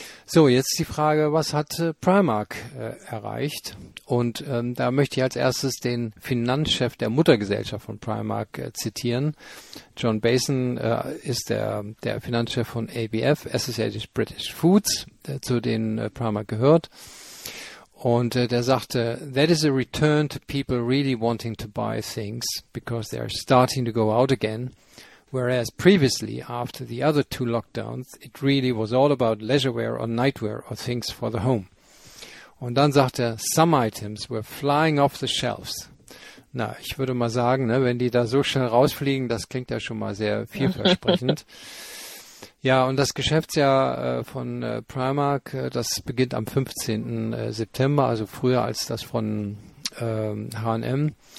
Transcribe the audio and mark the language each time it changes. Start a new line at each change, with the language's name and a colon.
German: So, jetzt die Frage, was hat Primark erreicht? Und da möchte ich als erstes den Finanzchef der Muttergesellschaft von Primark zitieren. John Bason ist der Finanzchef von ABF, Associated British Foods, zu denen Primark gehört. Und der sagte,
English: that is a return to people really wanting to buy things because they are starting to go out again. Whereas previously, after the other two lockdowns, it really was all about leisurewear or nightwear or things for the home.
German: Und dann sagt er,
English: some items were flying off the shelves.
German: Na, ich würde mal sagen, ne, wenn die da so schnell rausfliegen, das klingt ja schon mal sehr vielversprechend. Ja, und das Geschäftsjahr von Primark, das beginnt am 15. September, also früher als das von H&M.